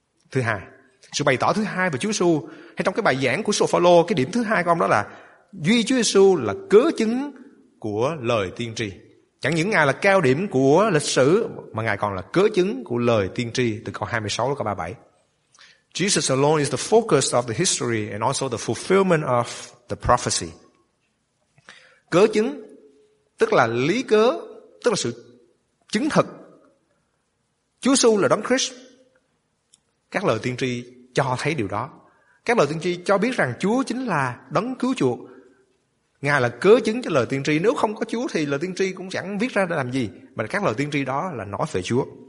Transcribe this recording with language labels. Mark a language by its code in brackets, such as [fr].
[vi] Thứ hai, sự bày tỏ thứ hai về Chúa Giê-xu, hay trong cái bài giảng của Sô-phô-lô, cái điểm thứ hai của ông đó là duy Chúa Giê-xu là cớ chứng của lời tiên tri. Chẳng những Ngài là cao điểm của lịch sử mà Ngài còn là cớ chứng của lời tiên tri, từ câu 26 đến câu 37. [en] Jesus alone is the focus of the history and also the fulfillment of the prophecy. [vi] Cớ chứng tức là lý cớ, tức là sự chứng thực. Chúa Giê-xu là đấng Christ. Các lời tiên tri cho thấy điều đó. Các lời tiên tri cho biết rằng Chúa chính là đấng cứu chuộc. Ngài là cớ chứng cho lời tiên tri. Nếu không có Chúa thì lời tiên tri cũng chẳng viết ra để làm gì. Mà các lời tiên tri đó là nói về Chúa.